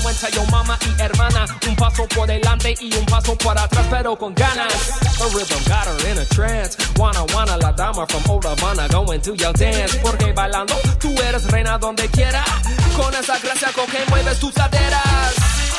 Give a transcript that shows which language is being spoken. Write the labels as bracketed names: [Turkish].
[Spanish] Yo mama y hermana, un paso por delante y un paso por atrás, pero con ganas. [English] A rhythm got her in a trance. Wanna wanna [Spanish] la dama [English] from Old Havana going to your dance. [Spanish] Porque bailando, tú eres reina donde quiera. Con esa gracia con que mueves tus caderas.